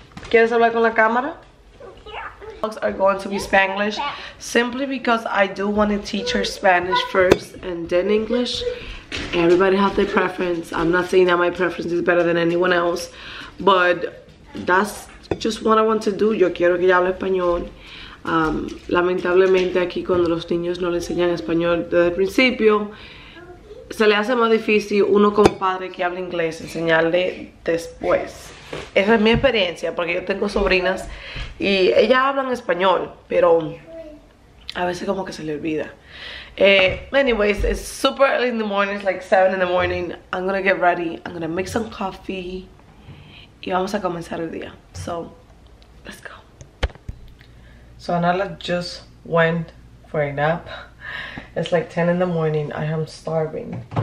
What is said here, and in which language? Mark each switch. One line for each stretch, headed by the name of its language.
Spanish: ¿Quieres hablar con la cámara?
English: Are going to be Spanglish simply because I do want to teach her Spanish first and then English. Everybody has their preference. I'm not saying that my preference is better than anyone else, but that's just what I want to do.
Spanish: Yo quiero que ella hable español. Lamentablemente aquí cuando los niños no le enseñan español desde el principio, se le hace más difícil uno como padre que habla inglés enseñarle después. Esa es mi experiencia, porque yo tengo sobrinas y ellas hablan español, pero a veces como que se le olvida.
English: Anyways, it's super early in the morning, it's like 7 in the morning. I'm gonna get ready, I'm gonna make some coffee
Spanish: y vamos a comenzar el día.
English: So, let's go. So, Anala just went for a nap. It's like 10 in the morning, I am starving.